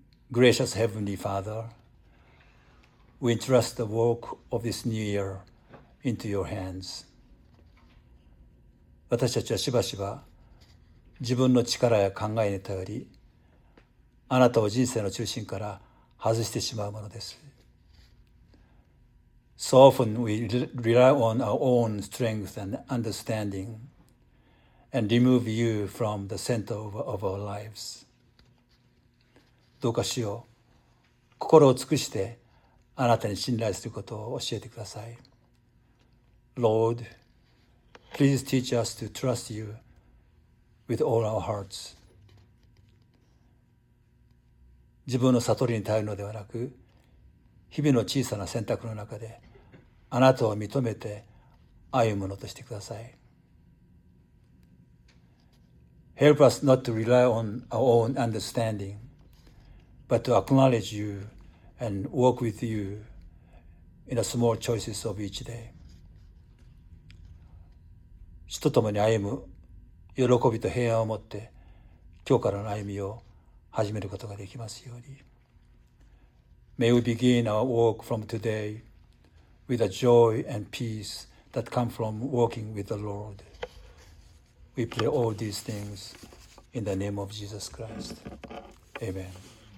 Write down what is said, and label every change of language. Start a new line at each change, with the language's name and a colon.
English: Gracious Heavenly Father, we entrust the work of this new year into your hands。
Japanese: 私たちはしばしば自分の力や考えに頼り、あなたを人生の中心から外してしまうものです。
English: So often we rely on our own strength and understanding and remove you from the center of our lives。
Japanese: どうか主よ、心を尽くしてあなたに信頼することを教えてください。
English: Lord,Please teach us to trust you with all our hearts.
Japanese: 自分の悟りに頼るのではなく、日々の小さな選択の中であなたを認めて歩むのとしてください。
English: Help us not to rely on our own understanding, but to acknowledge you and walk with you in the small choices of each day.
Japanese: 主と共に歩む喜びと平安を持って、今日からの歩みを始めることができますように。
English: May we begin our walk from today with a joy and peace that come from walking with the Lord. We pray all these things in the name of Jesus Christ. Amen.